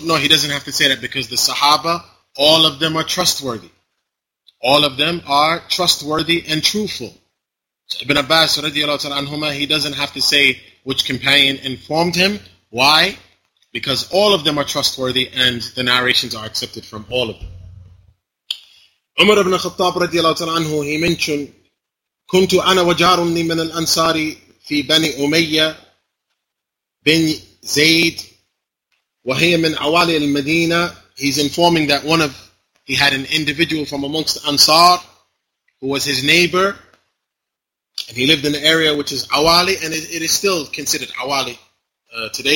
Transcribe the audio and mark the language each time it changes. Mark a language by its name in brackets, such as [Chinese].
[English] No, he doesn't have to say that, because the Sahaba, all of them are trustworthy. All of them are trustworthy and truthful. So Ibn Abbas radiallahu ta'ala anhuma, he doesn't have to say which companion informed him. Why? Because all of them are trustworthy and the narrations are accepted from all of them. Umar ibn Khattab radiallahu ta'ala anhu, he mentioned, [Arabic] كنت أنا وجار من الأنصار في بني أمية بن زيد وهي من أوالي المدينة. [English] He's informing that he had an individual from amongst the Ansar who was his neighbor, and he lived in the area which is Awali, and it is still considered Awali today.